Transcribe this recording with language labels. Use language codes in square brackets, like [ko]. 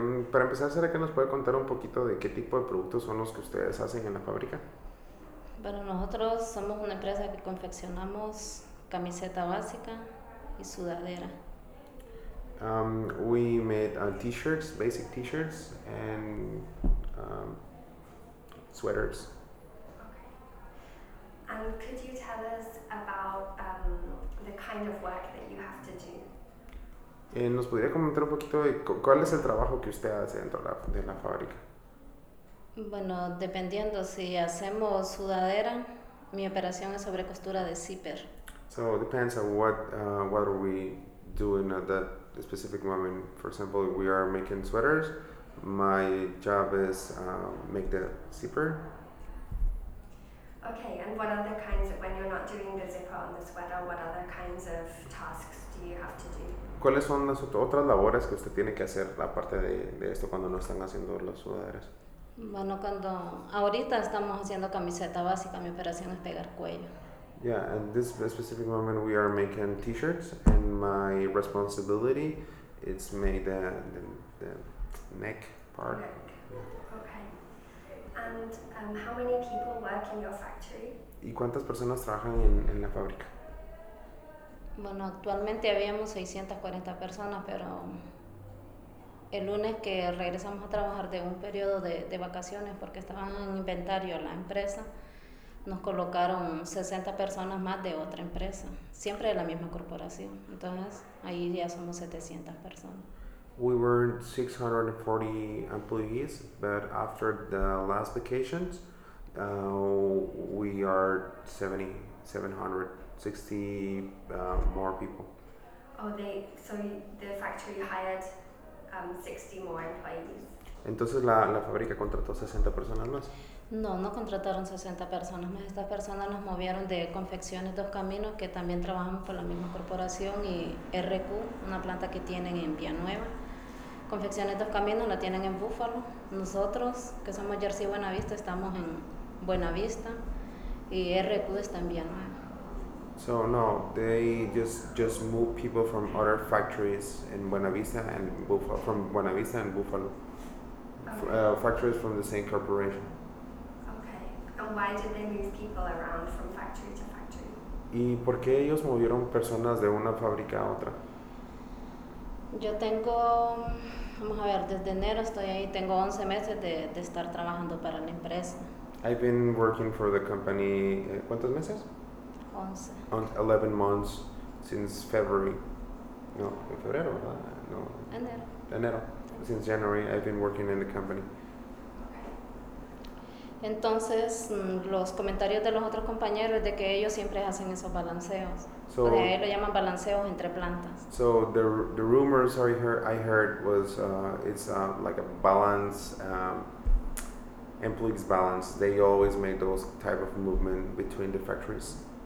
[es] Para empezar, ¿será que nos puede contar un poquito de qué tipo de productos son los que ustedes hacen en la fábrica? Bueno, nosotros somos una empresa que confeccionamos camiseta básica y sudadera. [en] We made t-shirts, basic t-shirts, and sweaters. Okay. And could you tell us about the kind of work that you have to do? [es] ¿Nos podría comentar un poquito de cuál es el trabajo que usted hace dentro de la fábrica? Bueno, dependiendo si hacemos sudadera, mi operación es sobre costura de zipper. [en] So it depends on what are we doing at that specific moment. For example, we are making sweaters. My job is make the zipper. Okay, and what other kinds of, when you're not doing the zipper on the sweater, what other kinds of tasks do you have to do? [es] ¿Cuáles son las otras labores que usted tiene que hacer aparte de esto cuando no están haciendo las sudaderas? Bueno, cuando ahorita estamos haciendo camiseta básica, mi operación es pegar cuello. [en] Yeah, at this specific moment we are making t-shirts and my responsibility is made the neck part. Neck. Okay. And how many people work in your factory? [es] ¿Y cuántas personas trabajan en la fábrica? Bueno, actualmente habíamos 640 personas, pero el lunes que regresamos a trabajar de un periodo de vacaciones, porque estaban en inventario la empresa, nos colocaron 60 personas más de otra empresa, siempre de la misma corporación. Entonces, ahí ya somos 700 personas. We were 640 employees, but after the last vacations, we are 760 more people. Oh, the factory hired 60 more employees. Entonces la fábrica contrató 60 personas más. No contrataron 60 personas más. Estas personas nos movieron de Confecciones Dos Caminos, que también trabajamos con la misma corporación, y RQ, una planta que tienen en Villanueva. Confecciones Dos Caminos la tienen en Búfalo. Nosotros, que somos Jersey Buenavista, estamos en Buenavista, y RQ está en Villanueva. [en] So no, they just moved people from other factories in Buenavista and Buffalo, from Buenavista and Buffalo. Okay. Factories from the same corporation. Okay. And why did they move people around from factory to factory? [es] ¿Y por qué ellos movieron personas de una fábrica a otra? Yo tengo, vamos a ver, desde enero estoy ahí, tengo 11 meses de estar trabajando para la empresa. [en] I've been working for the company, [es] ¿cuántos meses? [en] 11 months since February. [es] No, en febrero, ¿verdad? No. Enero. [en] Okay. Since January, I've been working in the company. [es] Entonces, los comentarios de los otros compañeros es de que ellos siempre hacen esos balanceos. [en] So, [es] porque ahí lo llaman balanceos entre plantas. [en] So, the rumors I heard was it's like a balance, employees balance. They always make those type of movement between the factories.